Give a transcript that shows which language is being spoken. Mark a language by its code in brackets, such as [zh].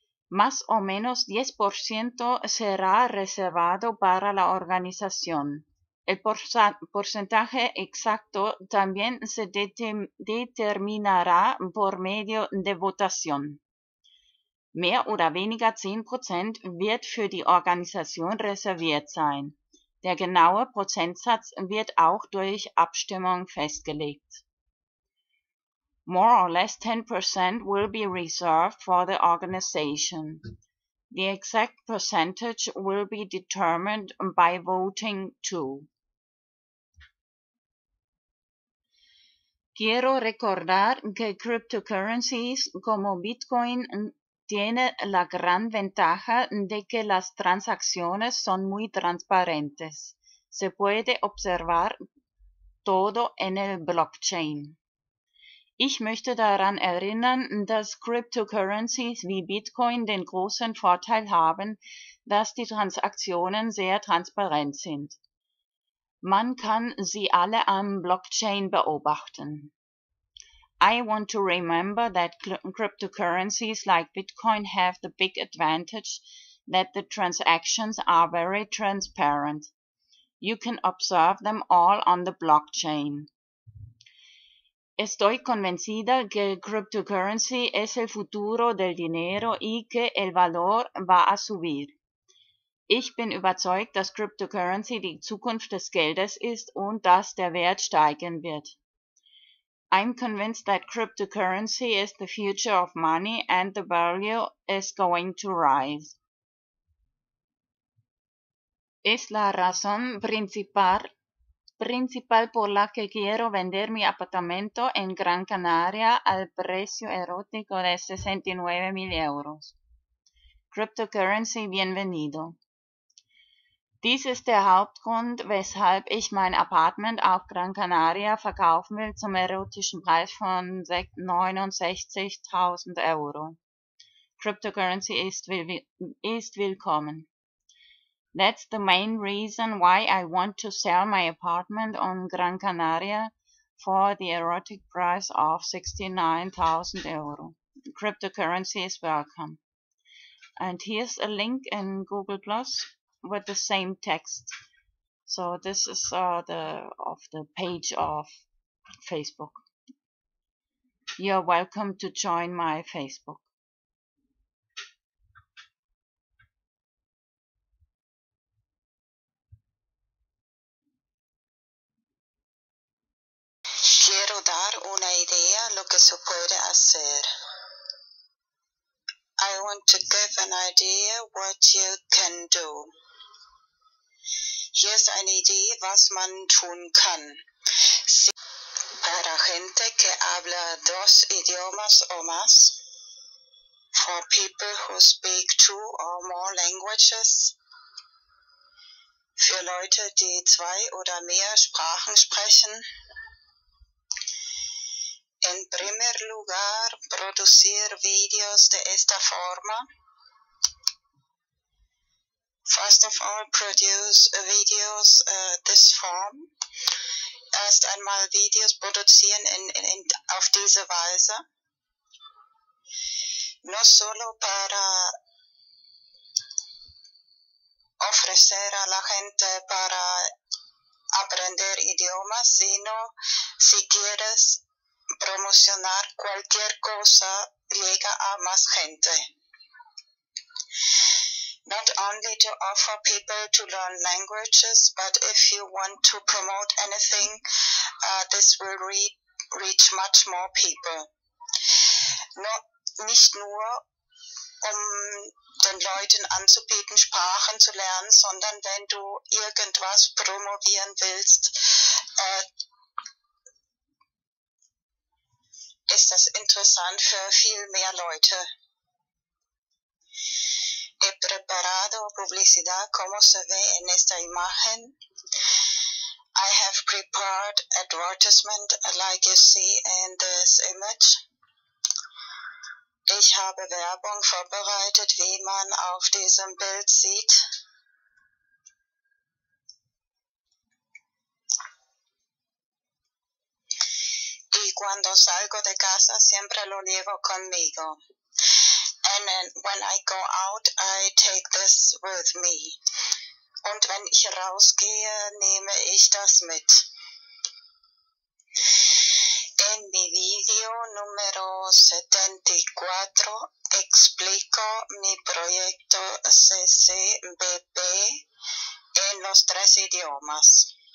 [es] Más o menos 10% será reservado para la organización. El porcentaje exacto también se determinará por medio de votación. [de] Mehr oder weniger 10% wird für die Organisation reserviert sein. Der genaue Prozentsatz wird auch durch Abstimmung festgelegt. [en] More or less 10% will be reserved for the organization. The exact percentage will be determined by voting too. [es] Quiero recordar que cryptocurrencies como Bitcoin tiene la gran ventaja de que las transacciones son muy transparentes. Se puede observar todo en el blockchain. [de] Ich möchte daran erinnern, dass cryptocurrencies wie Bitcoin den großen Vorteil haben, dass die Transaktionen sehr transparent sind. Man kann sie alle am Blockchain beobachten. [en] I want to remember that cryptocurrencies like Bitcoin have the big advantage that the transactions are very transparent. You can observe them all on the blockchain. [es] Estoy convencida que cryptocurrency es el futuro del dinero y que el valor va a subir. [de] Ich bin überzeugt, dass Cryptocurrency die Zukunft des Geldes ist und dass der Wert steigen wird. [en] I'm convinced that cryptocurrency is the future of money and the value is going to rise. [es] Es la razón principal por la que quiero vender mi apartamento en Gran Canaria al precio erótico de 69.000 euros. Cryptocurrency, bienvenido. [de] Dies ist der Hauptgrund, weshalb ich mein Apartment auf Gran Canaria verkaufen will zum erotischen Preis von 69.000 Euro. Cryptocurrency ist willkommen. [en] That's the main reason why I want to sell my apartment on Gran Canaria for the erotic price of 69.000 Euro. Cryptocurrency is welcome. And here's a link in Google Plus with the same text. So this is the page of Facebook. You're welcome to join my Facebook. [es] Quiero dar una idea lo que se puede hacer. [en] want to give an idea what you can do. Here's an idea [de] was man tun kann. [es] Si para gente que habla dos idiomas o más, [en] for people who speak two or more languages, [de] für Leute, die zwei oder mehr Sprachen sprechen, [es] en primer lugar, producir videos de esta forma. [en] First of all, produce videos this form. [de] Erst einmal Videos produzieren in auf diese Weise. [es] No solo para ofrecer a la gente para aprender idiomas, sino si quieres promocionar cualquier cosa, llega a más gente. [en] Not only to offer people to learn languages, but if you want to promote anything, this will reach much more people. [de] Nicht nur, um den Leuten anzubieten, Sprachen zu lernen, sondern wenn du irgendwas promovieren willst, ist das interessant für viel mehr Leute. [es] He preparado publicidad como se ve en esta imagen. [en] I have prepared advertisement like you see in this image. [de] Ich habe Werbung vorbereitet, wie man auf diesem Bild sieht. [es] Y cuando salgo de casa, siempre lo llevo conmigo. [en] And then when I go out, I take this with me. [de] Und wenn ich rausgehe, nehme ich das mit. [es] En mi video número 74 explico mi proyecto CCBP en los tres idiomas.